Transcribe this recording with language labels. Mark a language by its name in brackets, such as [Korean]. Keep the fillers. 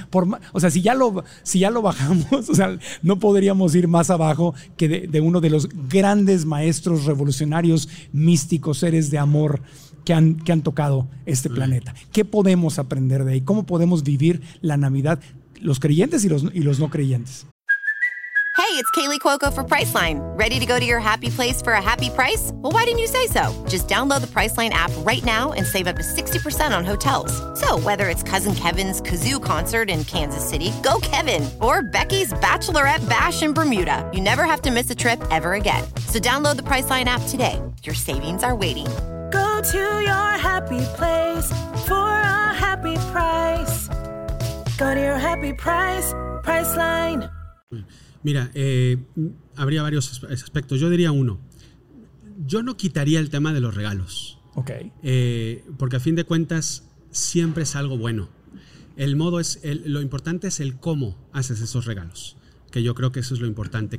[Spanish] Por ma o sea, si ya lo, si ya lo bajamos, o sea, no podríamos ir más abajo que de, de, uno de los grandes maestros revolucionarios, místicos, seres de amor. Que han, que han tocado este sí. planeta. ¿Qué podemos aprender de ahí? ¿Cómo podemos vivir la Navidad los creyentes y los, y los no creyentes? [English] Hey, it's Kaylee Cuoco for Priceline. Ready to go to your happy place for a happy price? Well, why didn't you say so? Just download the Priceline app right now and save up to 60% on hotels. So, whether it's Cousin Kevin's Kazoo concert in Kansas City, go Kevin, or Becky's Bachelorette Bash in Bermuda, you never have to miss a trip ever again. So, download the Priceline app today. Your savings are waiting. Go to your happy place for a happy price. Go to your happy price, Priceline. [Spanish] Mira, eh, habría varios aspectos. Yo diría uno. Yo no quitaría el tema de los regalos. Ok. Eh, porque a fin de cuentas, siempre es algo bueno. El modo es. El, lo importante es el cómo haces esos regalos. Que yo creo que eso es lo importante.